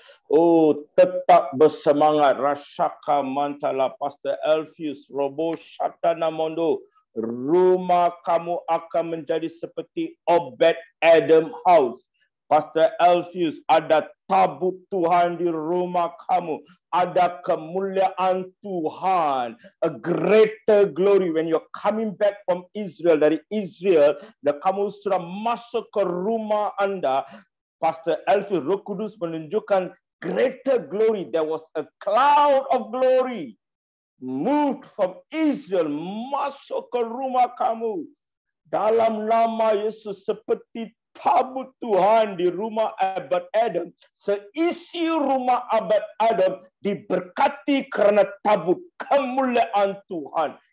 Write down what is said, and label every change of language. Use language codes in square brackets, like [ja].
[ms] Oh, tetap bersemangat. Rashaka mantala, Pastor Elfius, Robo Shatana Mondo, rumah kamu akan menjadi seperti Obed Adam House. Pastor Elfius, ada tabut Tuhan di rumah kamu. Ada kemuliaan Tuhan. [en] A greater glory when you're coming back from Israel. [ms] Dari Israel, dan kamu sudah masuk ke rumah anda. Pastor Elfius, Roh Kudus menunjukkan [en] greater glory. There was a cloud of glory moved from Israel. [ms] Masuk ke rumah kamu. Dalam nama Yesus, seperti tabut Tuhan di rumah Abad Adam, seisi rumah Abad Adam diberkati karena tabut kemuliaan Tuhan.